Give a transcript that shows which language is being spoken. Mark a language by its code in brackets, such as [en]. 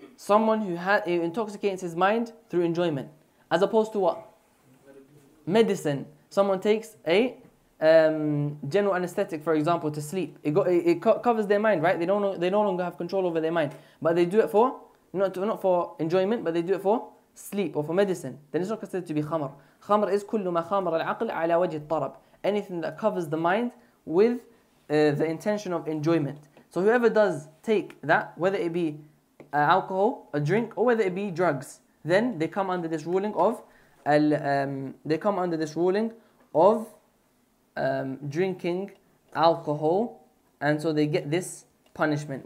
[en] Someone who intoxicates his mind through enjoyment, as opposed to what? Medicine. Someone takes a general anesthetic, for example, to sleep. It covers their mind, right? They no longer have control over their mind, but they do it for not for enjoyment, but they do it for sleep or for medicine. Then it's not considered to be khamr. [ar] Khamr is كل ما خمر العقل على وجه الطرب. [en] Anything that covers the mind with the intention of enjoyment. So whoever does take that, whether it be alcohol, a drink, or whether it be drugs, then they come under this ruling of drinking alcohol, and so they get this punishment.